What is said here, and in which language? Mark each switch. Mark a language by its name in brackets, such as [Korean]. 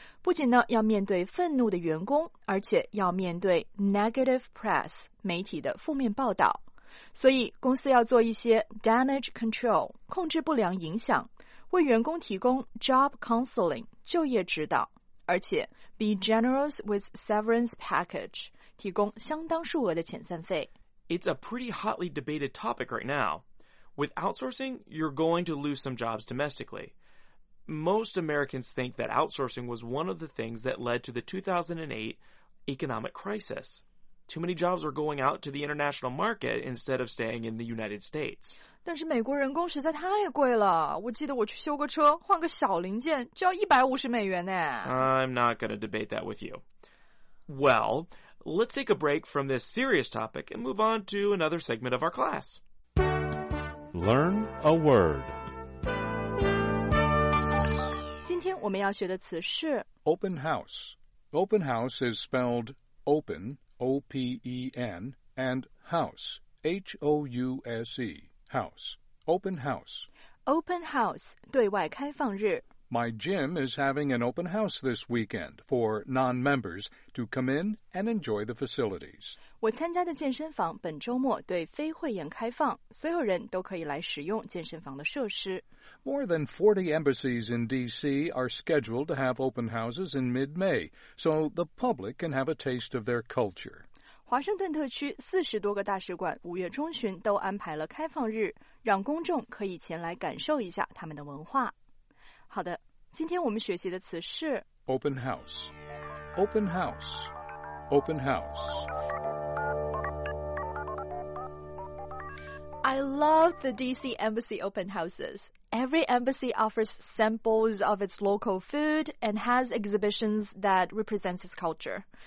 [Chinese] 不仅呢要面对愤怒的员工，而且要面对 negative press， 媒体的负面报道。所以公司要做一些 damage control， 控制不良影响，为员工提供 job counseling， 就业指导，而且 [English] be generous with severance package， [Chinese] 提供相当数额的遣散费。 [English] It's a pretty hotly debated topic right now. With outsourcing, you're going to lose some jobs domestically. Most Americans think that outsourcing was one of the things that led to the 2008 economic crisis. Too many jobs are going out to the international market instead of staying in the United States. [Chinese] 但是美国人工实在太贵了。我记得我去修个车，换个小零件就要150美元呢。 [English] I'm not going to debate that with you. Well, let's take a break from this serious topic and move on to another segment of our class. Learn a word. [Chinese] 今天我们要学的词是 [English] open house. Open house is spelled open, O-P-E-N, and house, H-O-U-S-E, house. Open house. [Chinese] Open house, 对外开放日。 [English] My gym is having an open house this weekend for non-members to come in and enjoy the facilities. [Chinese] 我参加的健身房本周末对非会员开放，所有人都可以来使用健身房的设施。 [English] More than 40 embassies in D.C. are scheduled to have open houses in mid-May, so the public can have a taste of their culture. [Chinese] 华盛顿特区40多个大使馆5月中旬都安排了开放日，让公众可以前来感受一下他们的文化。好的，今天我们学习的词是 [English] open house, open house, open house. I love the DC embassy open houses. Every embassy offers samples of its local food and has exhibitions that represents its culture.